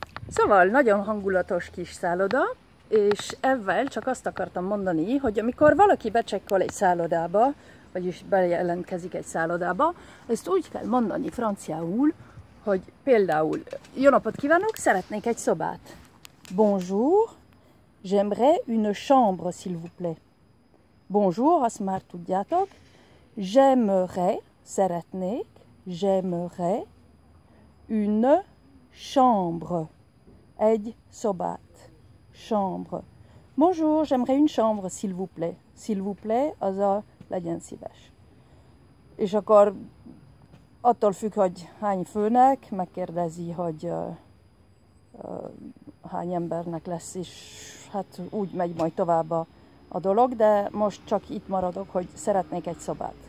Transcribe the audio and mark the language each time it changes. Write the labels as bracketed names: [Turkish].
[Hungarian] Szóval nagyon hangulatos kis szálloda, és ezzel csak azt akartam mondani, hogy amikor valaki becsekkol egy szállodába, vagyis bejelentkezik egy szállodába, ezt úgy kell mondani franciául, hogy például jó napot kívánok, szeretnék egy szobát. [French] Bonjour, j'aimerais une chambre, s'il vous plaît. [Hungarian] Bonjour, azt már tudjátok. [French] J'aimerais, [Hungarian] szeretnék, [French] j'aimerais une chambre. [Hungarian] Egy szobát. [French] Chambre. Bonjour, j'aimerais une chambre, s'il vous plaît. S'il vous plaît, [Hungarian] az a legyen szíves. És akkor attól függ, hogy hány főnek, megkérdezi, hogy hány embernek lesz, és hát úgy megy majd tovább a dolog, de most csak itt maradok, hogy szeretnék egy szobát.